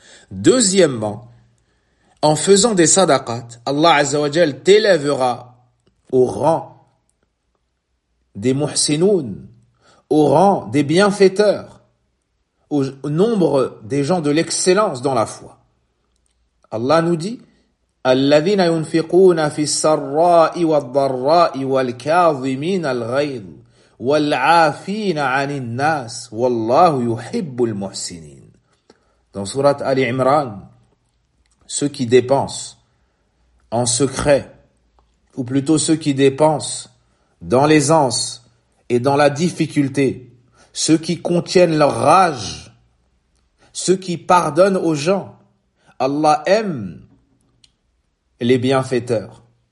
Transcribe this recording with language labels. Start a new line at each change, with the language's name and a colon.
French: Deuxièmement, en faisant des sadaqat, Allah Azza wa Jal t'élèvera au rang des muhsinoun, au rang des bienfaiteurs, au nombre des gens de l'excellence dans la foi. Allah nous dit,
Arabic: الذين ينفقون في السراء والضراء والكاظمين الغيظ والعافين عن الناس والله يحب المحسنين.
French: Dans sourate Ali Imran, ceux qui dépensent en secret, ou plutôt ceux qui dépensent dans l'aisance et dans la difficulté, ceux qui contiennent leur rage, ceux qui pardonnent aux gens, Allah aime les bienfaiteurs.